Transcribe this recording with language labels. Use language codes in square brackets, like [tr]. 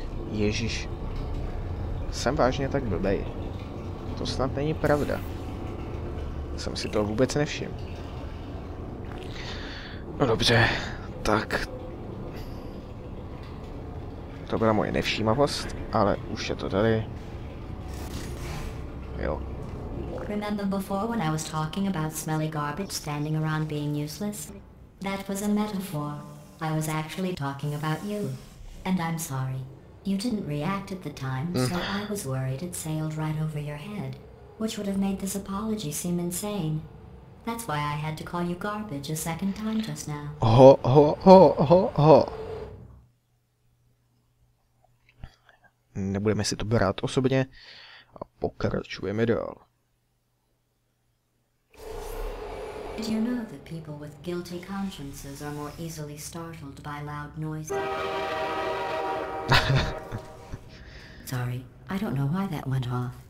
[cs] Ježíš. Jsem vážně tak blbej. To snad není pravda. Jsem si toho vůbec nevšiml. No dobře, tak... To byla moje nevšímavost, ale už je to tady. Jo. [en] Remember before when I was talking about smelly garbage standing around being useless? That was a metaphor. I was actually talking about you. And I'm sorry. You didn't react at the time, so I was worried it sailed right over your head. Which would have made this apology seem insane. That's why I had to call you garbage a second time just now. Ho. [cs] Nebudeme si to brát osobně a pokračujeme dál. [en] Did you know that people with guilty consciences are more easily startled by loud noises? Sorry, I don't know why that went off.